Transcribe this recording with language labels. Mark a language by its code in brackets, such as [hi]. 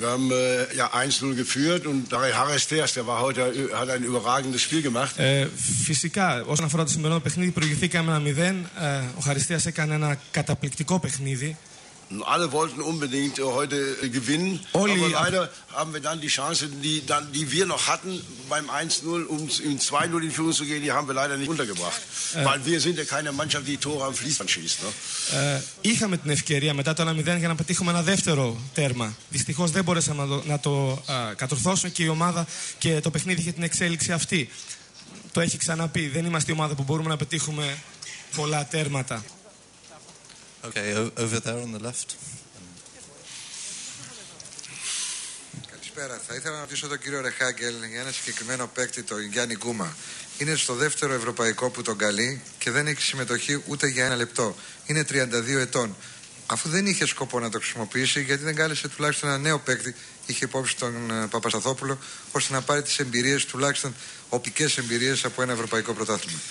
[de] Wir haben 1-0 geführt und Dari Harris, der war heute, hat ein überragendes Spiel gemacht. [el] Φυσικά, όσον αφορά το σημερινό παιχνίδι, προηγηθήκαμε 1-0. Ο Χαριστέας έκανε ένα καταπληκτικό παιχνίδι. [de] Alle wollten unbedingt heute gewinnen, Olli, aber leider haben wir dann die Chance, die wir noch hatten beim 1-0, um in 2-0 in Führung zu gehen, die haben wir leider nicht untergebracht. Weil wir sind ja keine Mannschaft, die Tore am Fließband schießt. Ne? [el] Είχαμε την ευκαιρία μετά το 1-0 για να πετύχουμε ένα δεύτερο τέρμα. Δυστυχώς δεν μπορέσαμε να το κατορθώσουμε και η ομάδα και το παιχνίδι είχε την εξέλιξη αυτή. Το έχει ξαναπεί, δεν είμαστε η ομάδα που μπορούμε να πετύχουμε πολλά τέρματα. [en] Okay, over there on the left. [el] Καλησπέρα. Θα ήθελα να ρωτήσω τον κύριο Ρεχάγκελ για ένα συγκεκριμένο παίκτη, τον Γιάννη Γκούμα. Είναι στο δεύτερο ευρωπαϊκό που τον καλεί και δεν έχει συμμετοχή ούτε για ένα λεπτό. Είναι 32 ετών. Αφού δεν είχε σκοπό να το χρησιμοποιήσει, γιατί δεν κάλεσε τουλάχιστον ένα νέο παίκτη, είχε υπόψη τον Παπασταθόπουλο, ώστε να πάρει τις εμπειρίες, τουλάχιστον οπτικές εμπειρίες από ένα ευρωπαϊκό πρωτάθλημα.